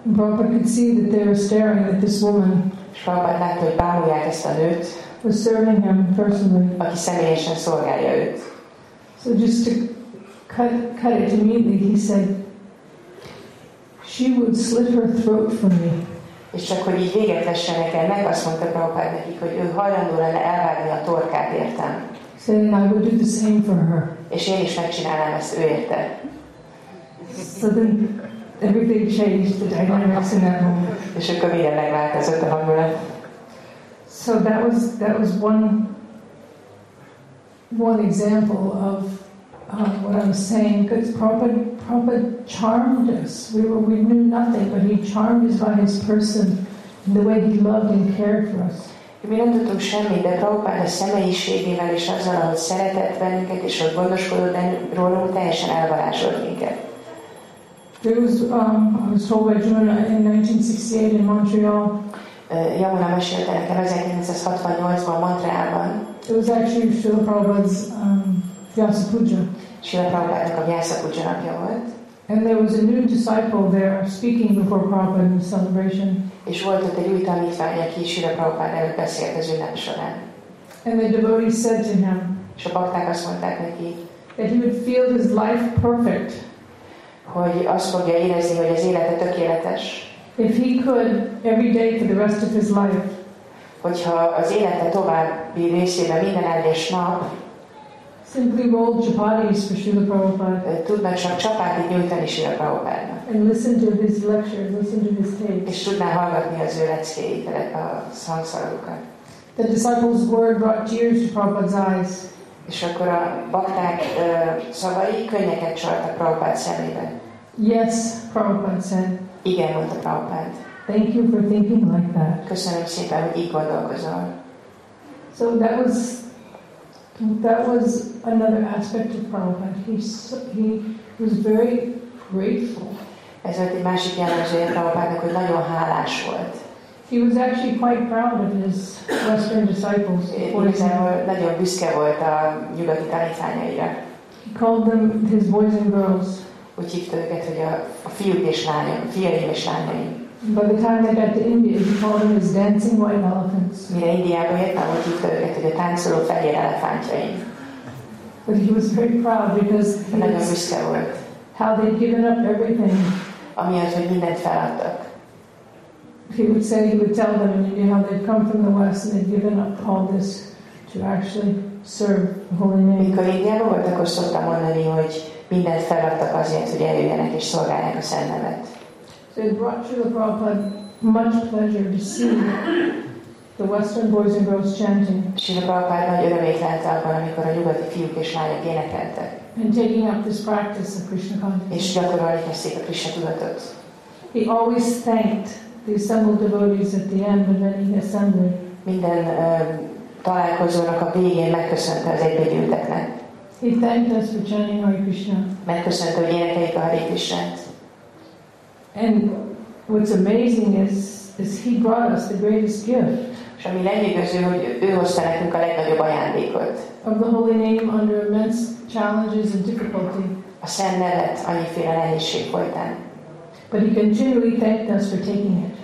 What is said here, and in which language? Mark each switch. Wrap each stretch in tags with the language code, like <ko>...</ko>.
<en>Prabhupada could see that they were staring at this woman.</en> <hu>És Prabhupada látta, hogy bámulják ezt a nőt.</hu> <en>Was serving him personally.</en> <hu>Aki személyesen szolgálja őt.</hu> <en>So just to cut it immediately, he said, she would slit her throat for me.</en> <hu>És csak hogy így véget vesse nekem, meg azt mondta Prabhupád nekik, hogy ő hajlandó lenne elvágni a torkát értem.</hu> <en>Saying, I would do the same for her.</en> <hu>És én is megcsinálnám ezt ő érte.</hu> <en>So then everything changed, the dynamics in that moment.</en> <hu>És akkor minden megváltozott a hangulat.</hu> <en>So that was one example of what I was saying, because Prabhupada charmed us. We knew nothing, but he charmed us by his person, and the way he loved and cared for us.</en> <hu>Mi nem tudtunk semmit, de Prabhupada személyiségével és azzal, ahogy szeretett bennünket és hogy gondoskodott rólunk, teljesen elvarázsolt minket.</hu> <en>I was told by Juna in 1968 in Montreal.</en> <hu>Yamuna mesélte nekem 1968-ban Montrealban.</hu> <en>It was actually Srila Prabhupada's Vyasa Puja.</en> <hu>Srila Prabhupada-nak a Vyasa Puja napja volt.</hu> <en>And there was a new disciple there speaking before Prabhupada in the celebration.</en> <hu>És volt ott egy új tanítvány, aki Srila Prabhupada előtt beszélt az ünnep során.</hu> <en>And the devotees said to him.</en> <hu>És a bakták azt mondták neki.</hu> <en>That he would feel his life perfect.</en> <hu>hogy azt fogja érezni, hogy az élete tökéletes.</hu> <en>If he could every day for the rest of his life,</en> <hu>hogyha az élete további részében minden egyes nap</hu> <en>simply rolled chapatis for Srila Prabhupada,</en> <hu>tudná csak csapátit nyújtani Srila Prabhupádnak.</hu> <en>And listen to his lectures, listen to his tapes.</en> <hu>És tudná hallgatni az ő leckéit, a szanszarukat.</hu> <en>The disciple's word brought tears to Prabhupada's eyes.</en> <hu>És akkor a bakták szavai könnyeket csaltak Prabhupád szemébe.</hu> <en>Yes, Prabhupada said.</en> <hu>Igen, mondta Prabhupád.</hu> <en>Thank you for thinking like that.</en> <hu>Köszönöm szépen, hogy így gondolkozol.</hu> <en>So that was another aspect of Prabhupada. He was very grateful.</en> <hu>Ez volt egy másik jellemzője Prabhupádnak, hogy nagyon hálás volt.</hu> <en>He was actually quite proud of his Western disciples.</en> <hu>Nagyon büszke volt a nyugati tanítványaira.</hu> <en>He called them his boys and girls.</en> <hu>Úgy hívta őket, hogy a fiúk és lányok, fiaim és lányaim.</hu> <en>By the time they got to India, he called them his dancing white elephants.</en> <hu>Mire Indiába értem, úgy hívta őket, hogy a táncoló fehér elefántjaim.</hu> <en>But he was very proud because</en> <hu>nagyon büszke volt.</hu> <en>How they'd given up everything.</en> <hu>Amiatt, hogy mindent feladtak.</hu> <en>He would say he would tell them, and you know how they'd come from the West and they'd given up all this to actually serve the Holy Name.</en> <hu>Mikor Indiába volt, akkor szoktam mondani, hogy mindent feladtak azért, hogy eljöjjenek és szolgálják a Szent Nevet.</hu> <en>So it brought Srila Prabhupada much pleasure to see the Western boys and girls chanting.</en> <hu>Srila Prabhupada nagy örömét lehet abban, amikor a nyugati fiúk és lányok énekeltek.</hu> <en>And taking up this practice of Krishna consciousness.</en> <hu>És gyakorolni kezdték a Krishna tudatot.</hu> <en>He always thanked the assembled devotees at the end of any assembly.</en> <hu>Minden találkozónak a végén megköszönte az egybegyűlteknek.</hu> <en>He thanked us for chanting Hare Krishna.</en> <hu>Megköszönte, hogy énekeljük a Hare Krishnát.</hu> <en>And what's amazing is he brought us the greatest gift.</en> <hu>És ami lenyűgöző, hogy ő hozta nekünk a legnagyobb ajándékot.</hu> <en>Of the Holy Name under immense challenges and difficulty.</en> <hu>A Szent Nevet annyiféle nehézség folytán.</hu> <en>But he continually thanked us for taking it.</en>